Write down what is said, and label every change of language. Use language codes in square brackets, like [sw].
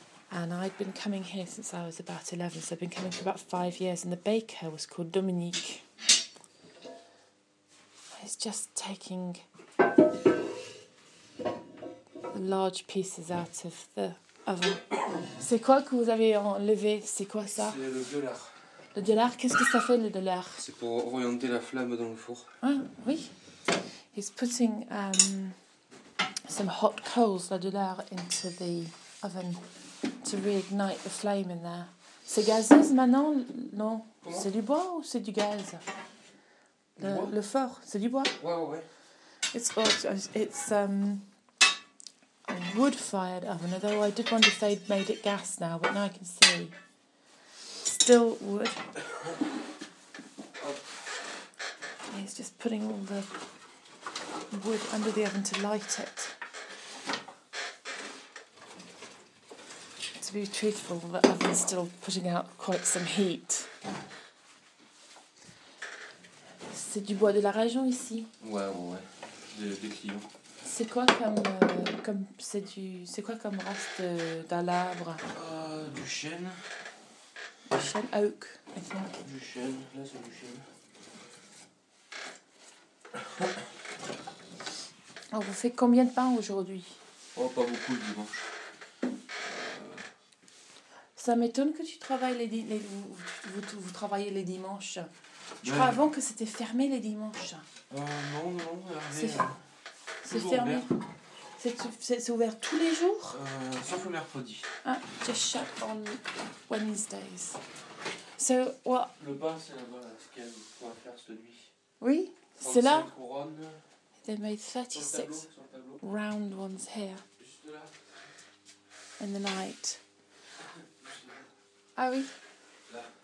[en] And I'd been coming here since I was about 11, so I'd been coming for about 5 years. And the baker was called Dominique. He's just taking the large pieces out of the oven. [fr] C'est quoi que vous avez enlevé? C'est quoi ça? C'est le dollar. Le dollar, qu'est-ce que ça fait le dollar? C'est pour orienter la flamme dans le four. Ah, oui. [en] He's putting some hot coals, le dollar, into the oven to reignite the flame in there. [fr] C'est gazeuse maintenant? Non. Comment? C'est du bois ou c'est du gaz? Le four, c'est du bois? Ouais, ouais, ouais. [en] It's a wood-fired oven, although I did wonder if they'd made it gas now, but now I can see. Still wood. He's just putting all the wood under the oven to light it. To be truthful, the oven's still putting out quite some heat. [fr] C'est du bois de la région ici? Ouais, ouais, ouais. Des clients. C'est quoi comme c'est quoi comme reste d'arbre? Du chêne. Du chêne [en] oak, I think. [fr] Du chêne, là c'est du chêne. Alors vous faites combien de pain aujourd'hui? Oh, pas beaucoup le dimanche. Ça m'étonne que tu travailles vous travaillez les dimanches. Je crois avant que c'était fermé les dimanches. Non, c'est fermé. Ouvert. C'est ouvert tous les jours? Sauf le mercredi. [en] Ah, just shut on Wednesdays. So, what? [fr] Le pain, c'est là-bas, là, ce qu'elle va faire cette nuit. Oui, c'est là. Couronnes. [en] They made 36 [fr] sur le tableau. [en] Round ones here. [fr] Juste là. [en] In the night. [fr] Juste là. Ah oui. Là.